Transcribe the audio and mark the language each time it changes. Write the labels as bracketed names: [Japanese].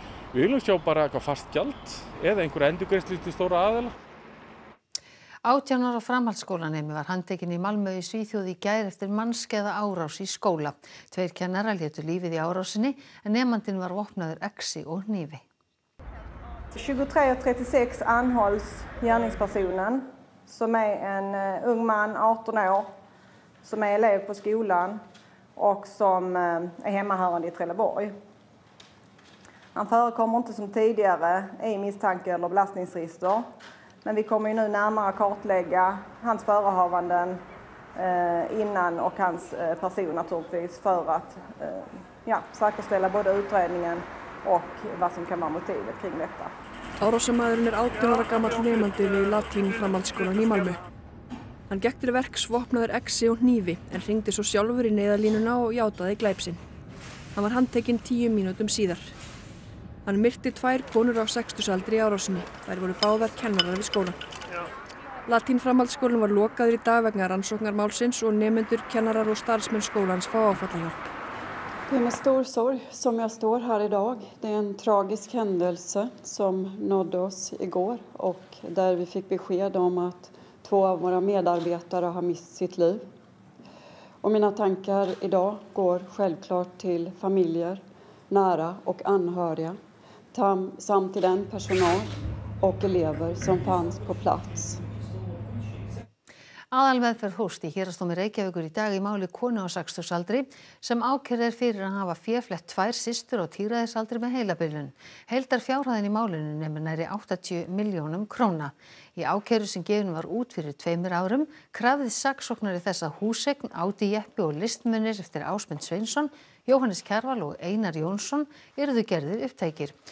[Icelandic] Við viljum sjá bara eitthvað fast gjald eða einhver endurgreiðslu til stóra aðila. 18 ára framhaldsskólanemi var handtekinn í Malmö í Svíþjóð í gær eftir mannskæða árás í skóla. Tveir kennarar létu lífið í árásinni en nemandinn var vopnaður exi og hnífi. [Swedish] 23:36 anhålls gärningspersonen som är en ung man 18 år som är elev på skolan och som är hemmahörande i Trelleborg. Han förekommer inte som tidigare i misstanke eller belastningsregister. Men vi kommer ju nu närmare kartlägga hans förehavanden innan och hans person naturligtvis för att säkerställa både utredningen och vad som kan vara motivet kring detta. [Icelandic] Árásamaðurinn 18 ára gamall nemandi við latín framhaldsskólann í Malmö. Hann gekk til verks vopnaður exi og hnífi en hringdi svo sjálfur í neyðarlínuna og játaði glæp sinn. Hann var handtekinn 10 mínútum síðar. Hann myrti tvær konur á 60-saldri í árásinni. Þær voru báðar kennarar við skólan. Latín framhaldsskólinn var lokaður í dag vegna rannsóknarmálsins og nemendur, kennarar og starfsmenn skólans fá áfallahjálp. [Swedish] Det är med stor sorg som jag står här idag. Det är en tragisk händelse som nådde oss igår och där vi fick besked om att två av våra medarbetare har mist sitt liv. Och mina tankar idag går självklart till familjer, nära och anhöriga samt till den personal och elever som fanns på plats. [Icelandic] Aðalmeðferð hófst í Héraðsdómi Reykjavíkur í dag í máli konu á 60-saldri sem ákærð er fyrir að hafa féflett tvær systur á tíræðisaldri með heilabilun. Heildar fjárhæðin í málinu nemur nærri 80 milljónum króna. Í ákæru sem gefin var út fyrir 2 árum krafði saksóknari þess að húseign, Ádi Jeppi og listmunir eftir Ásmund Sveinsson, Jóhannes Kjarval og Einar Jónsson eruðu gerðir upptækir.